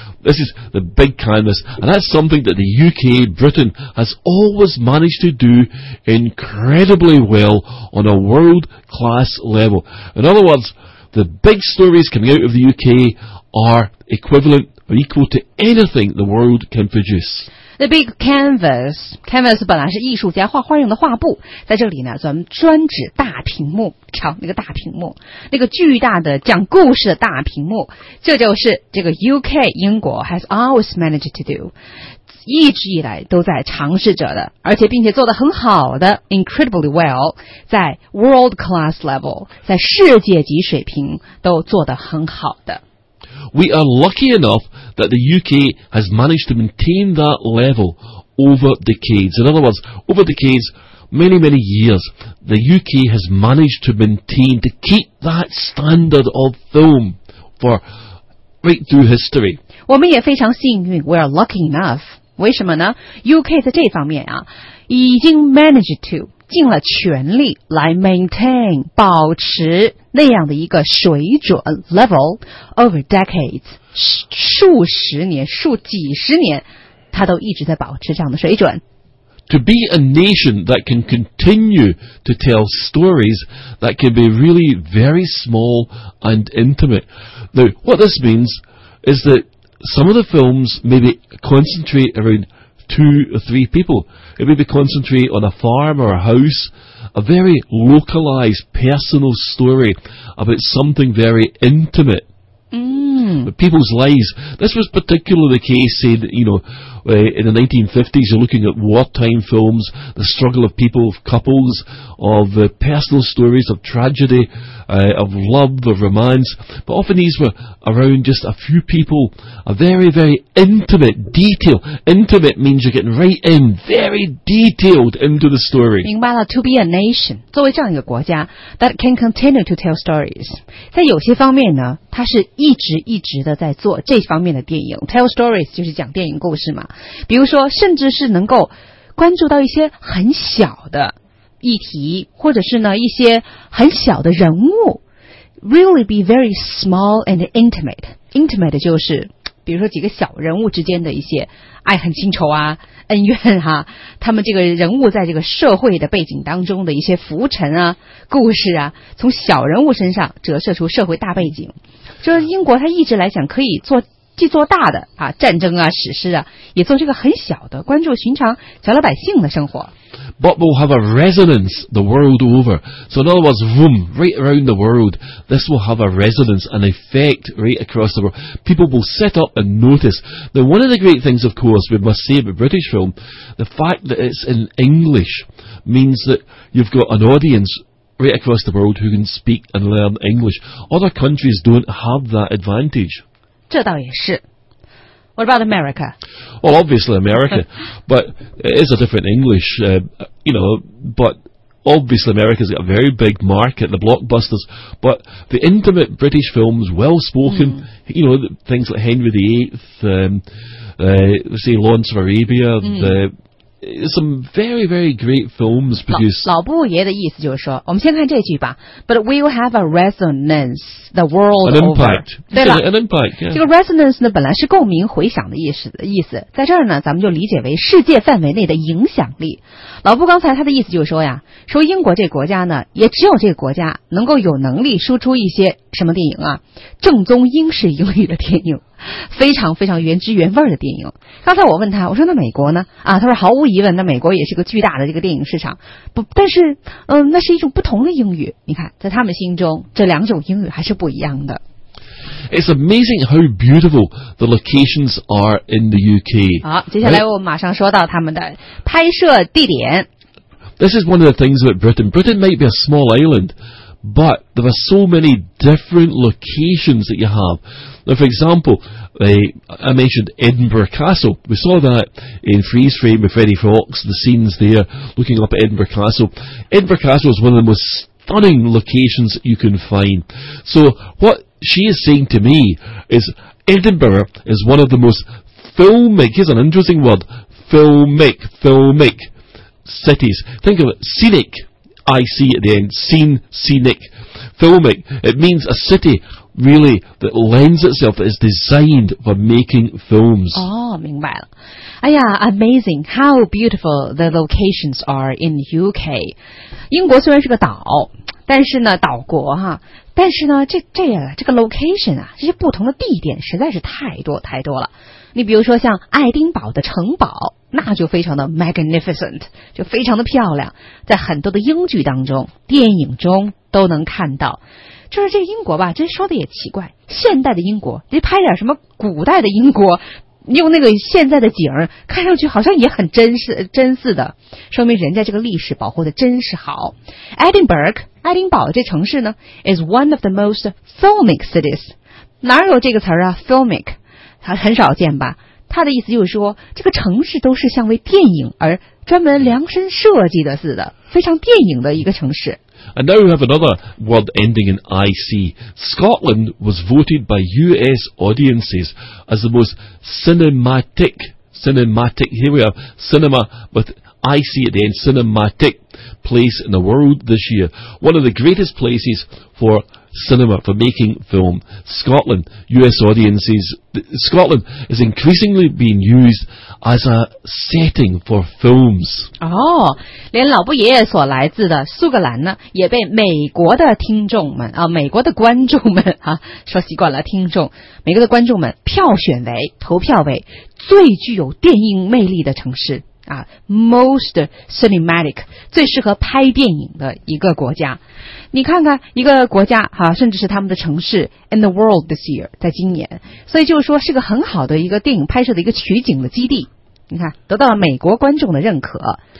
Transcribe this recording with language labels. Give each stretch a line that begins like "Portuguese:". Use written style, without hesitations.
English: This is the big canvas, and that's something that the UK, Britain, has always managed to do incredibly well on a world-class level. In other words, the big stories coming out of the UK are equivalent or equal to anything the world can produce. The big canvas, canvas
Chinese: 本来是艺术家画画用的画布，在这里呢，咱们专指大屏幕，瞧那个大屏幕，那个巨大的讲故事的大屏幕，这就是这个 UK 英国
English: has always managed to do,
Chinese: 一直以来都在尝试着的，而且并且做得很好的
English: incredibly well,
Chinese: 在
English: world class level,
Chinese: 在世界级水平都做得很好的。
English: We are lucky enough that the UK has managed to maintain that level over decades. In other words, over decades, many, many years, the UK has managed to maintain, to keep that standard of film for right through history.
Chinese: 我们也非常幸运 ,
English: we are lucky enough.
Chinese: 为什么呢 ?UK 在这方面啊已经
English: managed to,
Chinese: 尽了全力来 maintain, 保持那样的一个水准
English: level over decades,
Chinese: 数十年数几十年他都一直在保持这样的水准。
English: To be a nation that can continue to tell stories that can be really very small and intimate. Now, what this means is that some of the films maybe concentrate around two or three people. It may be concentrate on a farm or a house, a very localized personal story about something very intimate. People's lives. This was particularly the case, say, you know, in the 1950s, you're looking at wartime films, the struggle of people, of couples, of personal stories, of tragedy, of love, of romance. But often these were around just a few people, a very, very intimate detail. Intimate means you're getting right in, very detailed into the story.
Chinese: 明白了
English: to be a nation,
Chinese: 作为这样一个国家
English: that can continue to tell stories.
Chinese: 在有些方面呢它是一直一直的在做这方面的电影
English: tell stories
Chinese: 就是讲电影故事嘛比如说甚至是能够关注到一些很小的议题或者是呢一些很小的人物
English: really be very small and intimate intimate
Chinese: 就是比如说几个小人物之间的一些爱恨情仇啊恩怨啊他们这个人物在这个社会的背景当中的一些浮沉啊故事啊从小人物身上折射出社会大背景就是英国他一直来讲可以做既做大的啊战争啊史诗啊也做这个很小的关注寻常小老百姓的生活
English: But will have a resonance the world over So in other words, boom, right around the world This will have a resonance, an effect right across the world People will sit up and notice Now one of the great things of course we must say about British film The fact that it's in English means that you've got an audienceright across the world who can speak and learn English. Other countries don't have that advantage.
Chinese: 这倒也是。
English: What about America? Well, obviously America, but it is a different English,you know, but obviously America's got a very big market, the blockbusters, but the intimate British films, well-spoken,you know, things like Henry VIII, say Lawrence of Arabia,the some very, very great films produced.
Chinese: 老布爷的意思就是说，我们先看这句吧。
English: But we'll have a resonance the world over. An impact.
Chinese: 对了
English: ，an impact.、Yeah.
Chinese: 这个 resonance 呢，本来是共鸣、回响的意思，在这儿呢，咱们就理解为世界范围内的影响力。老布刚才他的意思就是说呀，说英国这国家呢，也只有这个国家能够有能力输出一些什么电影啊，正宗英式英语的电影。非常非常原汁原味的电影。刚才我问他，我说那美国呢？啊，他说毫无疑问，那美国也是个巨大的这个电影市场。不，但是，那是一种不同的英语。你看，在他们心中，这两种英语还是不一样的。
English: It's amazing how beautiful the locations are in the UK.
Chinese: 好，接下来我马上说到他们的拍摄地点。
English: This is one of the things about Britain. Britain might be a small island. But there are so many different locations that you have. Now, for example, I mentioned Edinburgh Castle. We saw that in Freeze Frame with Freddie Fox, the scenes there, looking up at Edinburgh Castle. Edinburgh Castle is one of the most stunning locations you can find. So what she is saying to me is Edinburgh is one of the most filmic, here's an interesting word, filmic cities. Think of it, scenic. IC at the end, scene, scenic, filmic. It means a city, really, that lends itself, that is designed for making films.
Chinese: Oh, 明白了。哎呀
English: ,amazing, how beautiful the locations are in UK.
Chinese: 英国虽然是个岛，但是呢，岛国哈，但是呢，这个 location 啊，这些不同的地点实在是太多太多了。你比如说像爱丁堡的城堡。那就非常的 magnificent, 就非常的漂亮，在很多的英剧当中、电影中都能看到。就是这英国吧，真说的也奇怪，现代的英国，你拍点什么古代的英国，用那个现在的景儿，看上去好像也很真似的，说明人家这个历史保护的真是好。
English: Edinburgh,
Chinese: 爱丁堡这城市呢
English: ，is one of the most filmic cities.
Chinese: 哪有这个词儿啊 ？filmic, 它很少见吧？他的意思就是说，这个城市都是像为电影而专门量身设计的似的，非常电影的一个城市。
English: And now we have another word ending in IC. Scotland was voted by US audiences as the most cinematic, here we are, cinema with IC at the end, cinematic place in the world this year. One of the greatest places for cinema, for making film. Scotland, US audiences, Scotland is increasingly being used as a setting for films.
Chinese: Oh, 连老布爷爷所来自的苏格兰呢，也被美国的听众们啊，美国的观众们啊，说习惯了听众，美国的观众们票选为投票为最具有电影魅力的城市。啊 ，
English: most cinematic
Chinese: 最适合拍电影的一个国家，你看看一个国家哈、啊，甚至是他们的城市
English: in the world this year
Chinese: 在今年，所以就是说是个很好的一个电影拍摄的一个取景的基地，你看得到了美国观众的认可。